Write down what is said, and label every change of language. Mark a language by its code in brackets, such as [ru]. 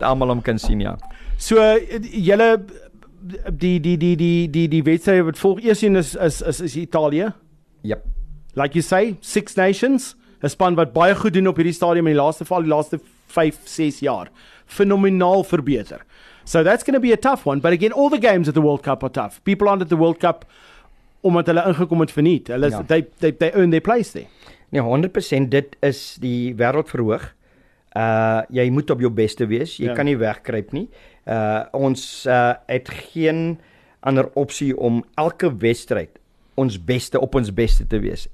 [af] Dat almal hom kan sien, ja. So, jylle, die wedstrijd wat volg, eerst sien is Italië. [en] Yep. Like you say, [af] Six Nations, 'n span wat baie goed doen op hierdie stadium in die laaste 5-6 jaar. Fenomenaal verbeter. [en] So that's going to be a tough one, but again, all the games at the World Cup are tough. People aren't at the World Cup [af] omdat hulle ingekom het verniet. [en] They earn their place there. [af] Nee, 100%, dit is die wêreld verhoog. Jy moet op jou beste wees. Jy kan nie wegkruip nie. Ons het geen ander opsie om elke wedstrijd ons beste op ons beste te wees.